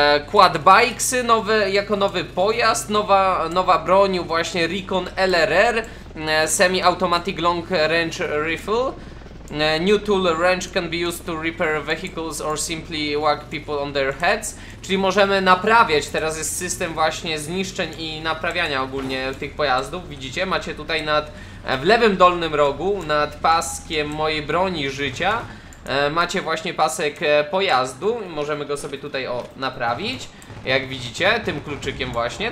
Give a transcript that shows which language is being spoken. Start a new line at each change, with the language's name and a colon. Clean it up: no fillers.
Polish: Quad bikes nowe, jako nowy pojazd, nowa broń właśnie Recon LRR,
English: semi-automatic long range rifle. New tool wrench can be used to repair vehicles or simply whack people on their heads.
Polish: Czyli możemy naprawiać, teraz jest system właśnie zniszczeń i naprawiania ogólnie tych pojazdów. Widzicie, macie tutaj nad, w lewym dolnym rogu, nad paskiem mojej broni życia, macie właśnie pasek pojazdu. Możemy go sobie tutaj naprawić, jak widzicie, tym kluczykiem właśnie.